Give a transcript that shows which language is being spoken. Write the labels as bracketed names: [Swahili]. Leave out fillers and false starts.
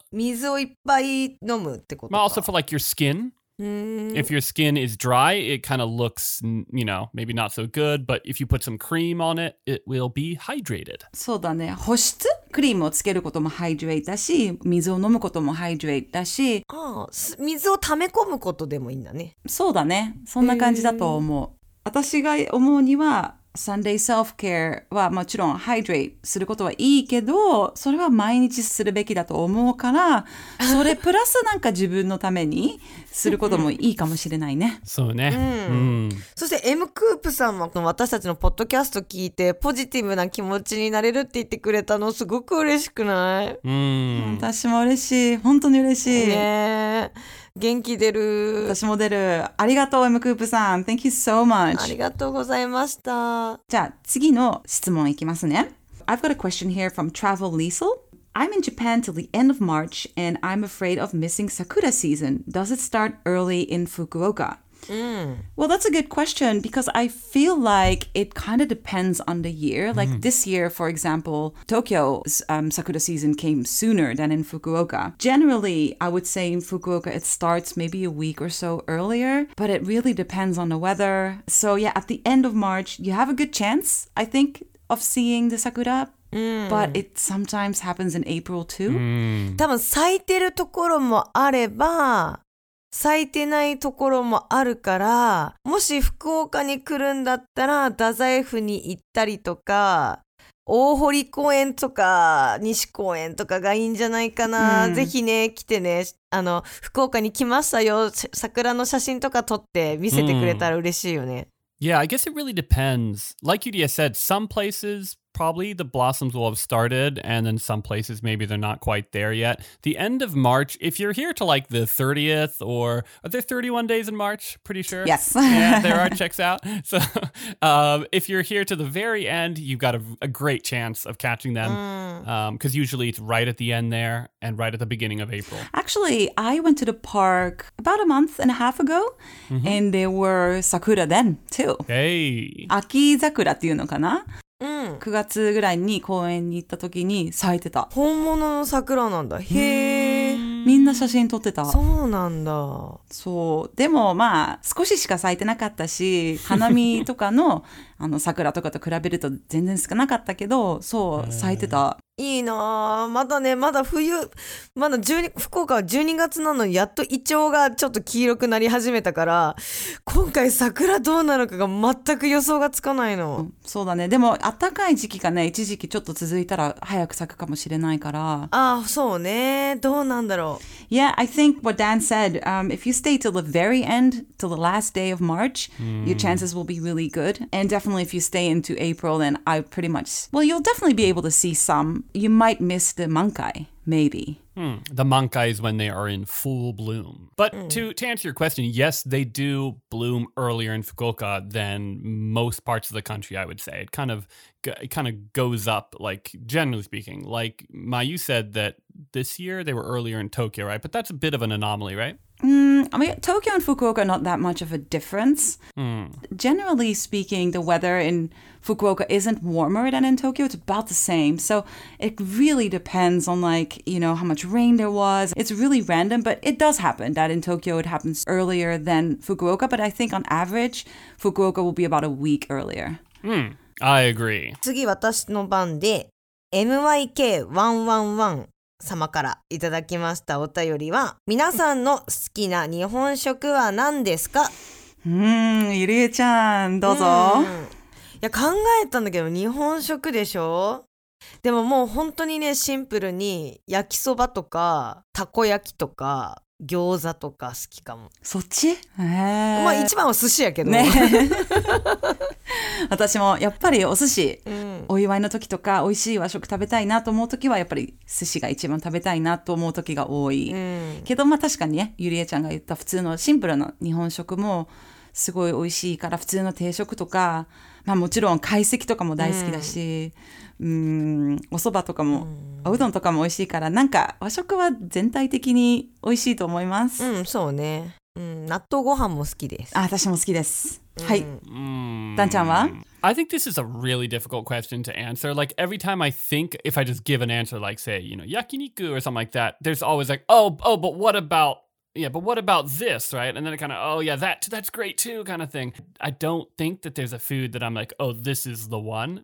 [Japanese] 水をいっぱい飲むってことか。 [English] Also for like your skin. If your skin is dry, it kind of looks, you know, maybe not so good. But if you put some cream on it, it will be hydrated. [Japanese] そうだね。保湿? クリームをつけることもハイドレートだし、水を飲むこともハイドレートだし、ああ、水を溜め込むことでもいいんだね。そうだね。そんな感じだと思う。私が思うには、サンデーセルフケアはもちろんハイドレートすることはいいけど、それは毎日するべきだと思うから、それプラスなんか自分のためにすることもいいかもしれないね。そうね。そして M クープさんは私たちのポッドキャスト聞いてポジティブな気持ちになれるって言ってくれたのすごく嬉しくない? 私も嬉しい。本当に嬉しい。ねー。元気出る。私も出る。ありがとう、M クープさん。 [English] Thank you so much. [Japanese] ありがとうございました。じゃあ、次の質問いきますね。 [English] I've got a question here from Travel Liesel. I'm in Japan till the end of March, and I'm afraid of missing Sakura season. Does it start early in Fukuoka? Well, that's a good question because I feel like it kind of depends on the year. Like this year, for example, Tokyo's sakura season came sooner than in Fukuoka. Generally, I would say in Fukuoka, it starts maybe a week or so earlier, but it really depends on the weather. So yeah, at the end of March, you have a good chance, I think, of seeing the sakura. But it sometimes happens in April too. [Japanese] 多分咲いてるところもあれば咲いてないところもあるからもし福岡に来るんだったら太宰府に行ったりとか大堀公園とか西公園とかがいいんじゃないかな、ぜひね来てねあの福岡に来ましたよ桜の写真とか撮って見せてくれたら嬉しいよね、 [English] Yeah, I guess it really depends. Like Yuria said, some placesProbably the blossoms will have started and then some places maybe they're not quite there yet. The end of March, if you're here to like the 30th or are there 31 days in March? Pretty sure. Yes. Yeah, there are checks out. So if you're here to the very end, you've got a great chance of catching them because usually it's right at the end there and right at the beginning of April. Actually, I went to the park about a month and a half ago and there were sakura then too. Hey. [Japanese] 秋桜っていうのかな? うん、9月ぐらいに公園に行った時に咲いてた本物の桜なんだへえ。みんな写真撮ってたそうなんだそうでもまあ少ししか咲いてなかったし花見とか の, あの桜とかと比べると全然少なかったけどそう咲いてたいいなまだねまだ冬まだ12福岡は12月なのにやっとイチョウがちょっと黄色くなり始めたから今回桜どうなるかが全く予想がつかないの、うん、そうだねでも暖かい時期がね一時期ちょっと続いたら早く咲くかもしれないからああそうねどうなんだろう [English] Yeah, I think what Dan said, if you stay till the very end, till the last day of March, your chances will be really good. And definitely if you stay into April, then I pretty much, well, you'll definitely be able to see some. You might miss the mankai, maybe. The mankai is when they are in full bloom. But to answer your question, yes, they do bloom earlier in Fukuoka than most parts of the country, I would say. It kind of goes up, like, generally speaking. Like, Mayu said that this year they were earlier in Tokyo, right? But that's a bit of an anomaly, right? I mean, Tokyo and Fukuoka are not that much of a difference. Generally speaking, the weather in Fukuoka isn't warmer than in Tokyo. It's about the same. So it really depends on, like, you know, how much rain there was. It's really random, but it does happen that in Tokyo it happens earlier than Fukuoka. But I think on average, Fukuoka will be about a week earlier. I agree. [Japanese] 次私の番で MYK111様からいただきましたお便りは皆さんの好きな日本食は何ですか? ゆりえちゃんどうぞいや考えたんだけど日本食でしょ? でももう本当にねシンプルに焼きそばとかたこ焼きとか餃子とか好きかもそっち? まあ一番は寿司やけどね私もやっぱりお寿司、お祝いの時とか美味しい和食食べたいなと思う時はやっぱり寿司が一番食べたいなと思う時が多い、けどまあ確かにねゆりえちゃんが言った普通のシンプルな日本食もすごい美味しいから普通の定食とかまあもちろん懐石とかも大好きだし、お蕎麦とかも、おうどんとかも美味しいからなんか和食は全体的に美味しいと思いますそうね納豆ご飯も好きです。あ、私も好きです。はい。Dan-chan は? [English] I think this is a really difficult question to answer. Like, every time I think, if I just give an answer, like, say, you know, yakiniku or something like that, there's always like, but what about this, right? And then it kind of, oh, yeah, that's great too, kind of thing. I don't think that there's a food that I'm like, oh, this is the one.